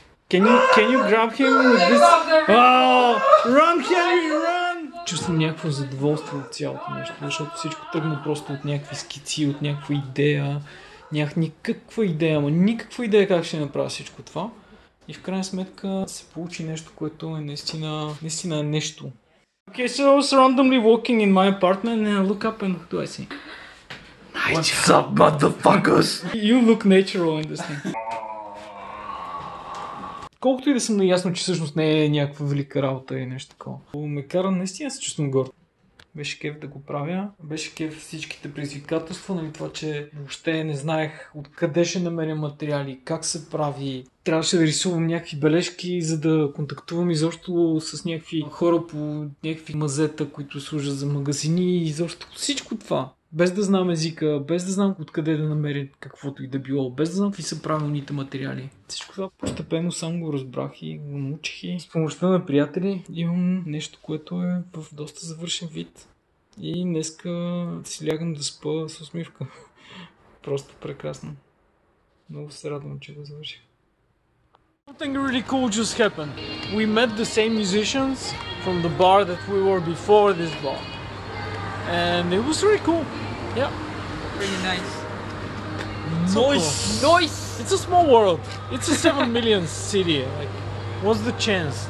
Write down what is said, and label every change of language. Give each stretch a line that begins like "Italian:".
English: Can you grab him with this? Oh, run, Harry, run!
Bulgarian: Чувствам някакво задоволство от цялото нещо, защото всичко тръгна просто от някакви скици, от някаква идея. Нямах никаква идея, ама никаква идея как ще направя всичко това. И в крайна сметка се получи нещо, което е наистина нещо.
English: Okay, so I was randomly walking in my apartment and I look up and what do I see? What's up, motherfuckers? You look natural in this thing.
Bulgarian: Колкото и да съм наясно, че всъщност не е някаква велика работа и нещо такова. Ме кара наистина се чувствам горд. Беше кеф да го правя. Беше кеф всичките предизвикателства, нали това, че въобще не знаех откъде ще намеря материали, как се прави. Трябваше да рисувам някакви бележки, за да контактувам изобщо с някакви хора по някакви мазета, които служат за магазини и изобщо всичко това. Без да знам езика, без да знам откъде да намеря каквото и да било, без да знам какви са правилните материали. Всичко това постепенно сам го разбрах и го научих и с помощта на приятели имам нещо, което е в доста завършен вид. И днеска си лягам да спа с усмивка. Просто прекрасно. Много се радвам, че го завърших.
English: Something really cool just happened. We met the same musicians from the bar that we were before this bar. And it was really cool. Yeah. Really nice. Noise. So cool. Noise. It's a small world. It's a 7 million city. Like, what's the chance?